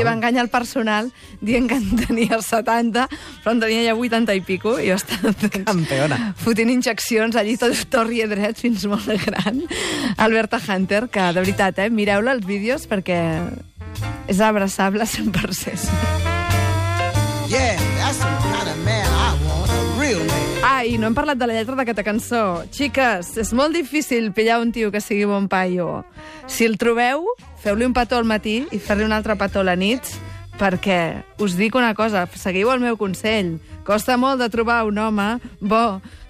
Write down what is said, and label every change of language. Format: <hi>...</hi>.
<ca>I va enganyar el personal dient que en tenia 70, però en tenia ja 80 i pico, i va estar... Campeona. Fotint injeccions allí, tot torri a dret, fins molt gran. Alberta Hunter, que de veritat, mireu-la els vídeos, perquè és abraçable 100%.</ca> <en>Yeah, that's the kind of man I want, a real man.</en> <ca>Ah, i no hem parlat de la lletra d'aquesta cançó. Xiques, és molt difícil pillar un tio que sigui bon paio. Si el trobeu, feu-li un petó al matí i fer-li un altre petó a la nit, perquè us dic una cosa, seguiu el meu consell. Costa molt de trobar un home bo.</ca>